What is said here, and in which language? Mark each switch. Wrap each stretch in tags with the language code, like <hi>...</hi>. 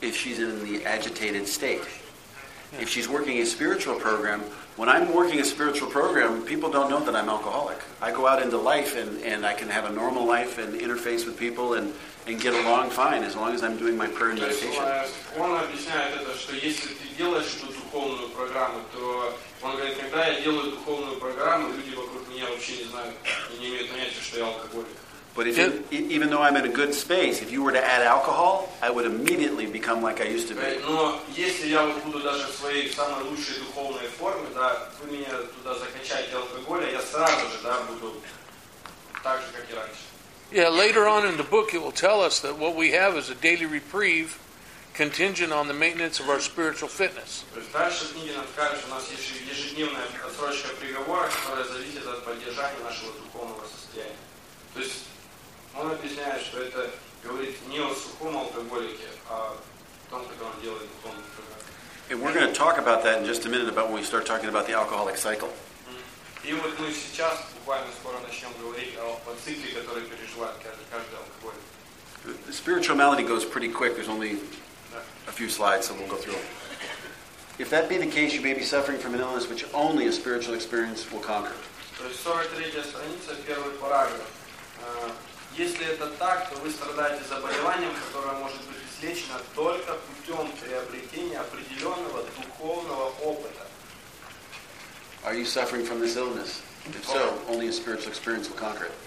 <en>If she's in the agitated state. If she's working a spiritual program, when I'm working a spiritual program, people don't know that I'm alcoholic. I go out into life and I can have a normal life and interface with people and get along fine as long as I'm doing my prayer and meditation.</en> <ru>Он объясняет это, что если ты делаешь эту духовную программу, то он говорит, когда я делаю духовную программу, люди вокруг меня вообще не знают и не имеют понятия, что я алкоголик.</ru> <en>But if even though I'm in a good space, if you were to add alcohol, I would immediately become like I used to be.</en> <ru>Но если я вот буду даже в своей самой лучшей духовной форме, да, вы меня туда закачаете алкоголя, я сразу же, да, буду так же, как и раньше.</ru> <en>Yeah, later on in the book it will tell us that what we have is a daily reprieve contingent on the maintenance of our spiritual fitness.</en> <ru>Дальше в книге нам скажут, что у нас есть ежедневная отсрочка приговора, которая зависит от поддержания нашего духовного состояния. То есть он объясняет, что это говорит не о сухом алкоголике, а о том, как он делает духовный программ.</ru> <en>And we're going to talk about that in just a minute about when we start talking about the alcoholic cycle.</en> <ru>И вот мы сейчас буквально скоро начнем говорить о цикле, который переживает каждый алкоголик.</ru> <en>The spiritual malady goes pretty quick. There's only a few slides, so we'll go through them. If that be the case, you may be suffering from an illness which only a spiritual experience will conquer.</en> <ru>То есть 43-я страница, первый параграф. Если это так, то вы страдаете заболеванием, которое может быть излечено только путем приобретения определенного духовного опыта.</ru> <en>Are you suffering from this illness? If so, only a spiritual experience will conquer it.</en>